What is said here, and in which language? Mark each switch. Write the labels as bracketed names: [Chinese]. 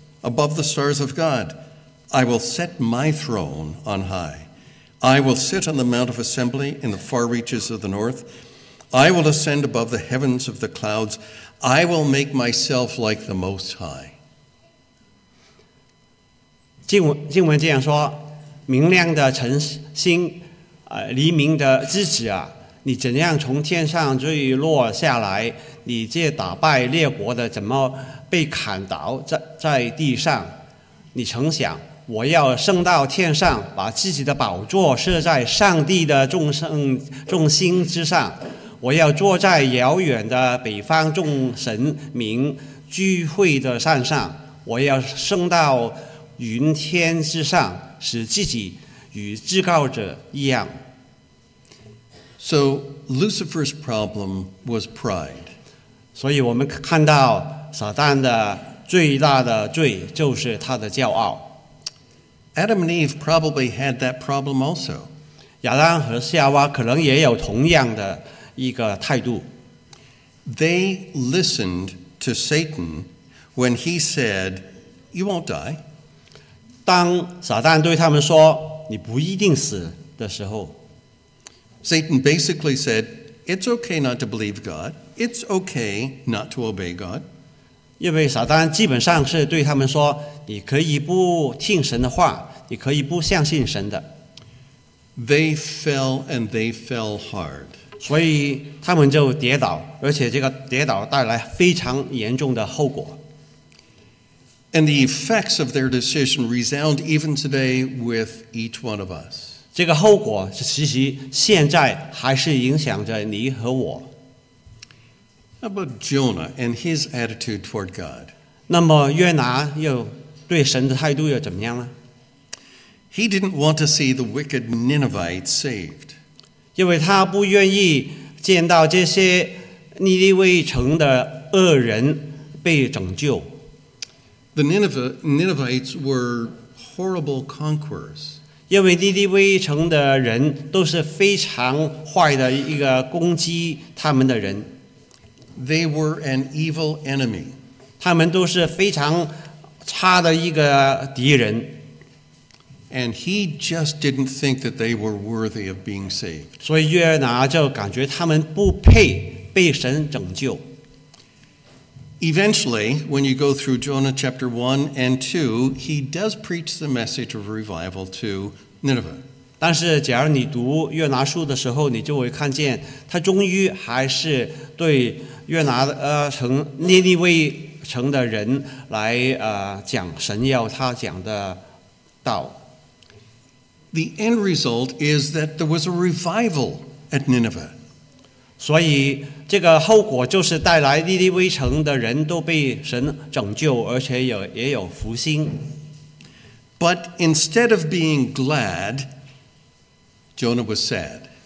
[English] Above the stars of God, I will set my throne on high. I will sit on the Mount of Assembly in the far reaches of the north. I will ascend above the heavens of the clouds. I will make myself like the Most High. [Chinese] 经文这样说，明亮的晨星，黎明的之子啊，你怎样从天上坠落下来，你这打败列国的怎么被砍倒 在地上，你曾想，我要升到天上，把自己的宝座设在上帝的众星之上，我要坐在遥远的北方众神明聚会的山上，我要升到云天之上，使自己与至高者一样。 [English] So Lucifer's problem was pride. [Chinese] 所以我们看到撒旦的最大的罪就是他的骄傲。 [English] Adam and Eve probably had that problem also. [Chinese] 亚当和夏娃可能也有同样的一个态度。 [English] They listened to Satan when he said, "You won't die." [Chinese] 当撒旦对他们说你不一定死的时候， [English] Satan basically said, It's okay not to believe God. It's okay not to obey God. [Chinese] 因为撒旦基本上是对他们说你可以不听神的话，你可以不相信神的。 [English] They fell and they fell hard. [Chinese] 所以他们就跌倒，而且这个跌倒带来非常严重的后果。 [English] And the effects of their decision resound even today with each one of us. [Chinese] 这个后果其实现在还是影响着你和我。 [English] How about Jonah and his attitude toward God? [Chinese] 那么约拿又对神的态度又怎么样了？ [English] He didn't want to see the wicked Ninevites saved. [Chinese] 因为他不愿意见到这些尼尼微城的恶人被拯救。 [English] The Ninevites were horrible conquerors. [Chinese] 因为尼尼微城的人都是非常坏的一个攻击他们的人。 [English] They were an evil enemy. [Chinese] 他们都是非常差的一个敌人。 [English] And he just didn't think that they were worthy of being saved. [Chinese] 所以约拿就感觉他们不配被神拯救。 [English] Eventually, when you go through Jonah chapter 1 and 2, he does preach the message of revival to Nineveh. [Chinese] 但是假如你读约拿书的时候，你就会看见他终于还是对约拿城尼尼微城的人来讲神要他讲的道。 [English] The end result is that there was a revival at Nineveh. [Chinese] 所以这个后果就是带来尼尼微城的人都被神拯救，而且也有复兴。 [English] But instead of being glad, Jonah was sad.